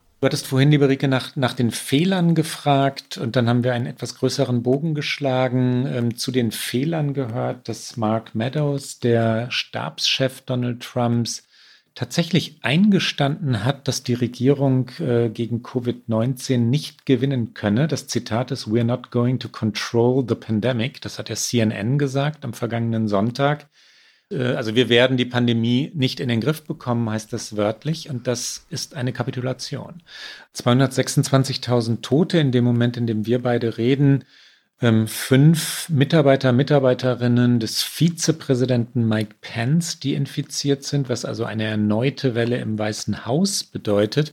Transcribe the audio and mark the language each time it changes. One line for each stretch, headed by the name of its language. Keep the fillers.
German: Du hattest vorhin, liebe Rike, nach, nach den Fehlern gefragt und dann haben wir einen etwas größeren Bogen geschlagen. zu den Fehlern gehört, dass Mark Meadows, der Stabschef Donald Trumps, tatsächlich eingestanden hat, dass die Regierung gegen Covid-19 nicht gewinnen könne. Das Zitat ist,
English: We're not going to control the pandemic.
German: Das hat der CNN gesagt am vergangenen Sonntag also wir werden die Pandemie nicht in den Griff bekommen, heißt das wörtlich. Und das ist eine Kapitulation. 226.000 Tote in dem Moment, in dem wir beide reden. Fünf Mitarbeiter, Mitarbeiterinnen des Vizepräsidenten Mike Pence, die infiziert sind, was also eine erneute Welle im Weißen Haus bedeutet.